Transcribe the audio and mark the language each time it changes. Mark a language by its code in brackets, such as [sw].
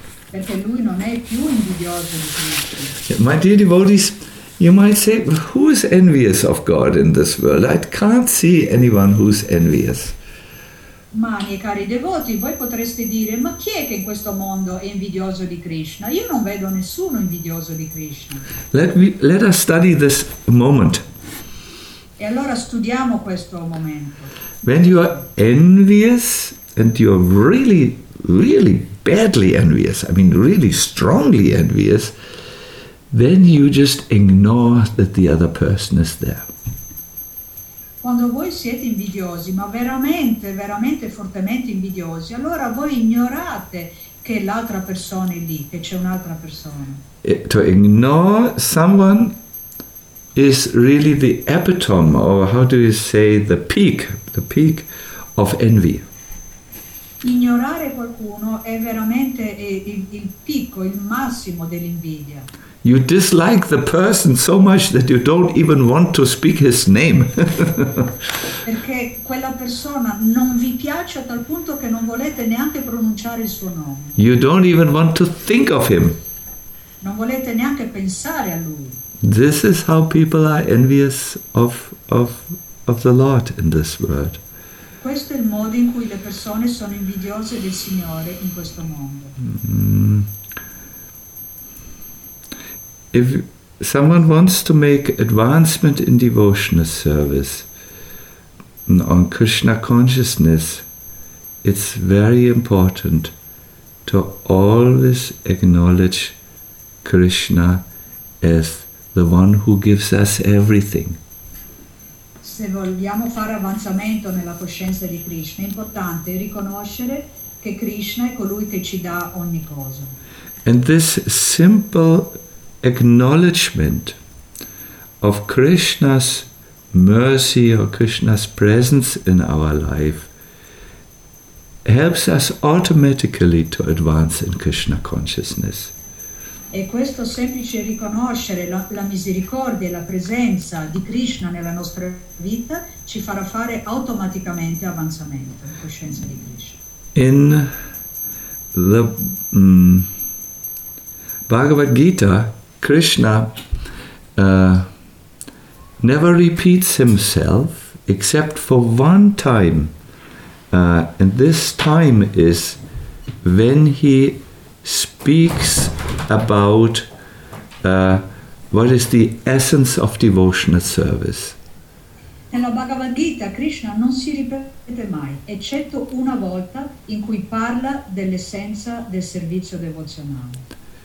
[it] Perché lui non è più invidioso di Krishna. [en] My dear devotees, you might say, who is envious of God in this world? I can't see anyone who's envious. [it] Ma, miei cari devoti, voi potreste dire, ma chi è che in questo mondo è invidioso di Krishna? Io non vedo nessuno invidioso di Krishna. [en] Let us study this moment. [it] E allora studiamo questo momento. [en] When you are envious, and you are really, really badly envious, I mean really strongly envious, then you just ignore that the other person is there. [it] Quando voi siete invidiosi, ma veramente, veramente fortemente invidiosi, allora voi ignorate che l'altra persona è lì, che c'è un'altra persona. [en] To ignore someone is really the epitome, or how do you say, the peak of envy. [it] Ignorare qualcuno è veramente il picco, il massimo dell'invidia. [en] You dislike the person so much that you don't even want to speak his name. [it] Perché quella persona non vi piace a tal punto che non volete neanche pronunciare il suo nome. [en] You don't even want to think of him. [it] Non volete neanche pensare a lui. [en] This is how people are envious of the Lord in this world. [it] Questo è il modo in cui le persone sono invidiose del Signore in questo mondo. [en] If someone wants to make advancement in devotional service, on Krishna consciousness, it's very important to always acknowledge Krishna as the one who gives us everything. [it] Se vogliamo fare avanzamento nella coscienza di Krishna, è importante riconoscere che Krishna è colui che ci dà ogni cosa. [en] And this simple acknowledgement of Krishna's mercy or Krishna's presence in our life helps us automatically to advance in Krishna consciousness. [it] E questo semplice riconoscere la misericordia e la presenza di Krishna nella nostra vita ci farà fare automaticamente avanzamento in coscienza di Krishna. [en] In the Bhagavad Gita, Krishna never repeats himself except for one time, and this time is when he speaks about what is the essence of devotional service? [it] Nella Bhagavad Gita Krishna non si ripete mai, eccetto una volta in cui parla dell'essenza del servizio devozionale.